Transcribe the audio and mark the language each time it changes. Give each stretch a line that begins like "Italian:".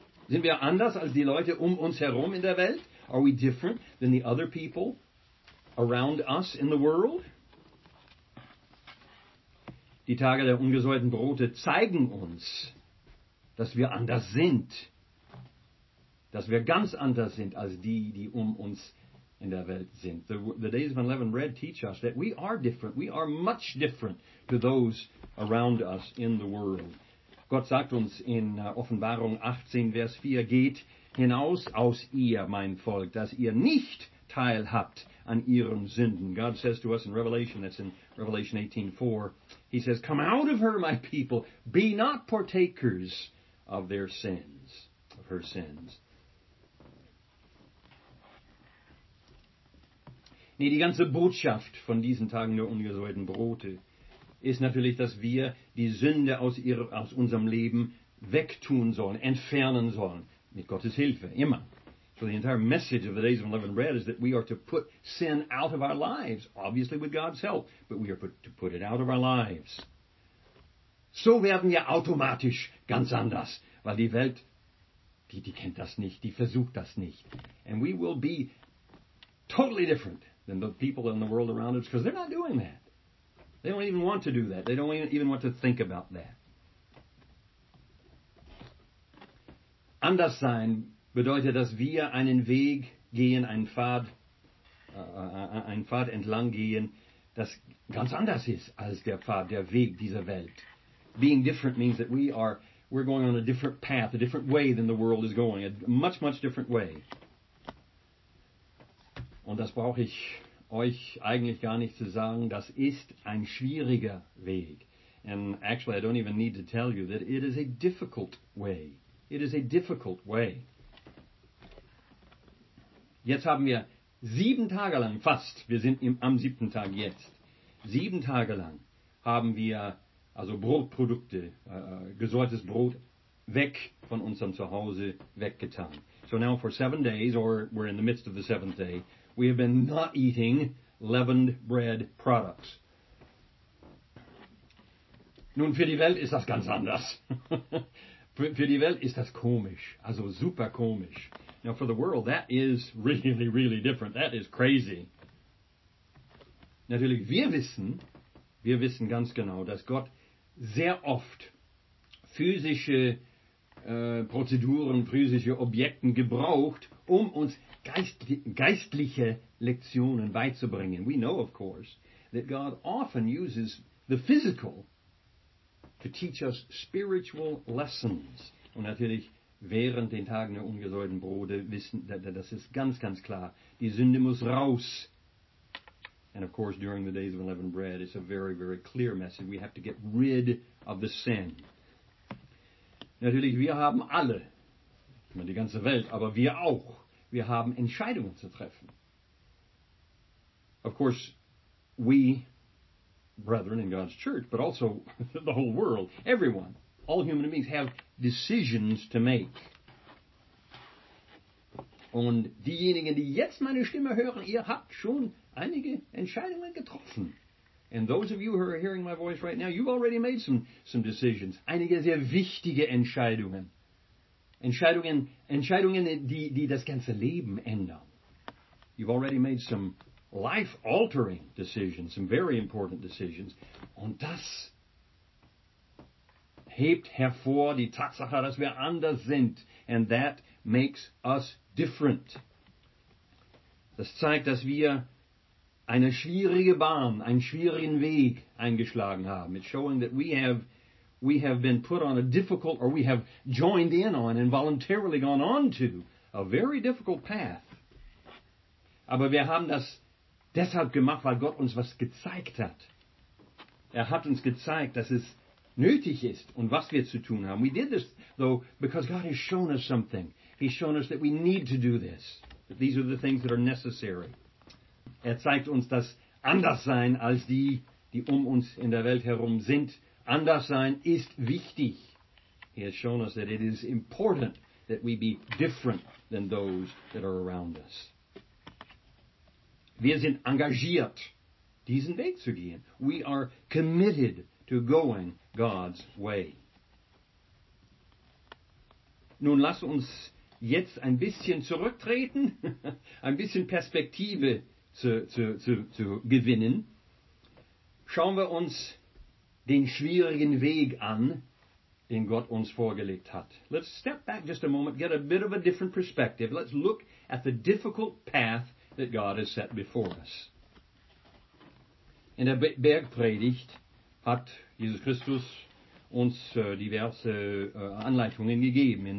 German: Sind wir anders als die Leute um uns herum in der Welt?
English: Are we different than the other people around us in the world?
German: Die Tage der ungesäuerten Brote zeigen uns, dass wir anders sind. Dass wir ganz anders sind als die um uns in der Welt sind.
English: The days of unleavened bread teach us that we are different. We are much different to those around us in the world.
German: Gott sagt uns in Offenbarung 18, Vers 4, geht hinaus aus ihr, mein Volk, dass ihr nicht teilhabt an ihren Sünden.
English: God says to us in Revelation, that's in Revelation 18, 4, he says, come out of her, my people, be not partakers of their sins, of her sins.
German: Nee, die ganze Botschaft von diesen Tagen der ungesäuerten Brote ist natürlich, dass wir die Sünde aus unserem Leben wegtun sollen, entfernen sollen, mit Gottes Hilfe, immer.
English: So the entire message of the days of unleavened bread is that we are to put sin out of our lives, obviously with God's help, but we are to put it out of our lives.
German: So werden wir automatisch ganz anders, weil die Welt, die kennt das nicht, die versucht das nicht.
English: And we will be totally different than the people in the world around us, because they're not doing that. They don't even want to do that. They don't even want to think about that.
German: Anderssein bedeutet, dass wir einen Weg gehen, einen Pfad entlang gehen, das ganz anders ist als der Pfad, der Weg dieser Welt.
English: Being different means that we're going on a different path, a different way than the world is going, a much, much different way.
German: Und das brauche ich euch eigentlich gar nicht zu sagen, das ist ein schwieriger Weg.
English: And actually, I don't even need to tell you that it is a difficult way. It is a difficult way.
German: Jetzt haben wir 7 Tage lang, fast, wir sind am 7. Tag jetzt, 7 Tage lang haben wir also Brotprodukte, gesäuertes Brot, weg von unserem Zuhause weggetan.
English: So now for 7 days, or we're in the midst of the 7th day, we have been not eating leavened bread products.
German: Nun, für die Welt ist das ganz anders. Für die Welt ist das komisch. Also super komisch.
English: Now, for the world, that is really, really different. That is crazy.
German: Natürlich, wir wissen ganz genau, dass Gott sehr oft physische Prozeduren, physische Objekten gebraucht, um uns geistliche Lektionen beizubringen.
English: We know, of course, that God often uses the physical to teach us spiritual lessons.
German: Und natürlich während den Tagen der ungesäuerten Brote wissen, das ist ganz, ganz klar. Die Sünde muss raus.
English: And of course, during the days of unleavened bread, it's a very, very clear message. We have to get rid of the sin.
German: Natürlich, wir haben alle, die ganze Welt, aber wir auch, wir haben Entscheidungen zu treffen.
English: Of course, we, brethren in God's church, but also the whole world, everyone, all human beings have decisions to make.
German: Und diejenigen, die jetzt meine Stimme hören, ihr habt schon einige Entscheidungen getroffen.
English: And those of you who are hearing my voice right now, you've already made some decisions.
German: Einige sehr wichtige Entscheidungen. Entscheidungen, die das ganze Leben ändern.
English: You've already made some life-altering decisions, some very important decisions.
German: Und das hebt hervor die Tatsache, dass wir anders sind.
English: And that makes us different.
German: Das zeigt, dass wir eine schwierige Bahn, einen schwierigen Weg eingeschlagen haben.
English: It's showing that we have been put on a difficult, or we have joined in on and voluntarily gone on to a very difficult path.
German: Aber wir haben das deshalb gemacht, weil Gott uns was gezeigt hat. Er hat uns gezeigt, dass es nötig ist und was wir zu tun haben.
English: We did this, though, because God has shown us something. He's shown us that we need to do this. That these are the things that are necessary.
German: Er zeigt uns, dass anders sein als die, die um uns in der Welt herum sind, anders sein ist wichtig.
English: He has shown us that it is important that we be different than those that are around us.
German: Wir sind engagiert, diesen Weg zu gehen.
English: We are committed to going God's way.
German: Nun lass uns jetzt ein bisschen zurücktreten, ein bisschen Perspektive zu gewinnen. Schauen wir uns den schwierigen Weg an, den Gott uns vorgelegt hat.
English: Let's step back just a moment, get a bit of a different perspective. Let's look at the difficult path that God has set before us.
German: In der Bergpredigt hat Jesus Christus uns diverse Anleitungen gegeben.